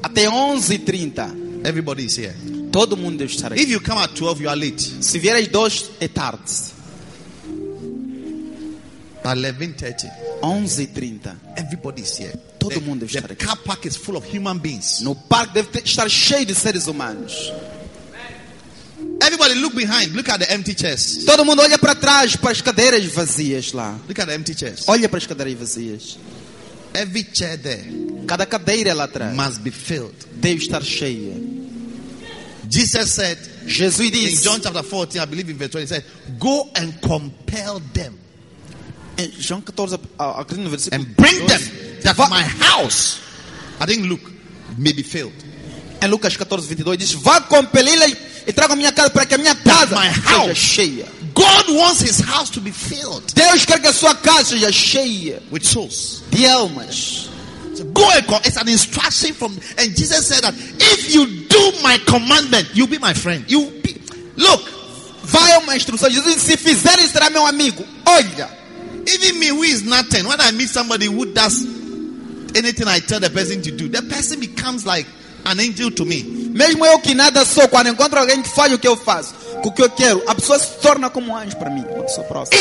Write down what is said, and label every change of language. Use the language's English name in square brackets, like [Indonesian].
[Portuguese] Até 11:30. [English] Everybody is here. [Portuguese] Todo mundo deve estar aqui. [English] If you come at 12, you are late. [Portuguese] Se vier às 2, é tarde. [English] By 11:30. [Portuguese] 11:30. [English] Everybody is here. [Portuguese] Todo mundo deve estar [English] the [Portuguese] aqui. [English] The car park is full of human beings. [Portuguese] No parque deve estar cheio de seres humanos. [English] Everybody look behind. Look at the empty chairs. [Portuguese] Todo mundo olha para trás, para as cadeiras vazias lá. [English] Look at the empty chairs. [Portuguese] Olha para as cadeiras vazias. [English] Every chair there. [Portuguese] Cada cadeira lá atrás. [English] Must be filled. [Portuguese] Deve estar cheia. [English] Jesus said. [Portuguese] Jesus disse. [English] In John chapter 14, I believe in verse 20, he said, "Go and compel them." [Portuguese] Em João 14, acredito no versículo. [English] And bring them that my house. I think Luke may be filled. [Portuguese] Em Lucas 14, 22, diz, vá compelê-la e traga a minha casa para que a minha casa seja cheia. [English] God wants his house to be filled. [Portuguese] Deus quer que a sua casa seja cheia. [English] With souls. [Portuguese] De almas. [English] So go and call. It's an instruction from, and Jesus said that, if you do my commandment, you'll be my friend. Look. [Portuguese] Vai uma instrução. Jesus disse, se fizer isso, será meu amigo. Olha. [English] Even me, who is nothing, when I meet somebody who does anything I tell the person to do, the person becomes like, an angel to me. [Portuguese] Mesmo eu que nada sou, quando encontro alguém que faz o que eu faço, o que eu quero, a pessoa se torna como um anjo para mim, uma pessoa próxima.